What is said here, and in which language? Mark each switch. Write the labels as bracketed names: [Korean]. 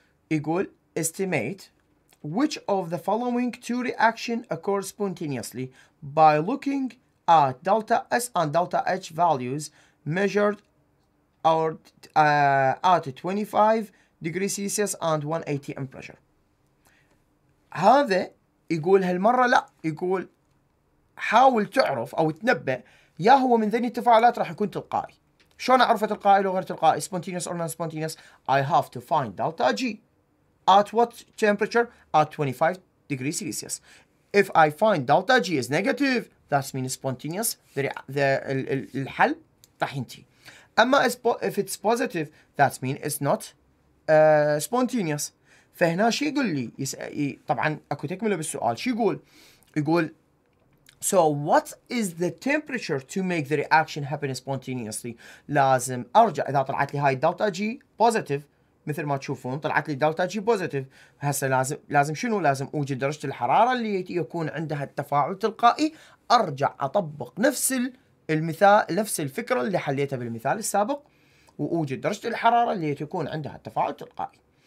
[Arabic] يقول [English] estimate which of the following two reaction occurs spontaneously by looking at delta S and delta H values measured at 25 degrees Celsius and 180 atm pressure. [Arabic] هذا يقول هالمرة لا يقول حاول تعرف أو تنبأ يا هو من ذني التفاعلات راح يكون تلقائي. شلون أعرف تلقائي لو غير تلقائي؟ [English] spontaneous or non-spontaneous. I have to find delta G at what temperature? At 25 degrees Celsius. If I find delta G is negative, that means spontaneous. [Arabic] الحل طحنتي. أما [English] if it's positive, that means it's not spontaneous. [Arabic] فهنا شي يقول لي طبعا أكو تكمله بالسؤال. شي يقول [English] So what is the temperature to make the reaction happen spontaneously? [Arabic] لازم أرجع إذا طلعت لي هاي دلتا جي positive مثل ما تشوفون طلعت لي دلتا جي positive هسه لازم شنو لازم أوجد درجة الحرارة اللي يكون عندها التفاعل تلقائي أرجع أطبق نفس المثال نفس الفكرة اللي حليتها بالمثال السابق وأوجد درجة الحرارة اللي تكون عندها التفاعل تلقائي.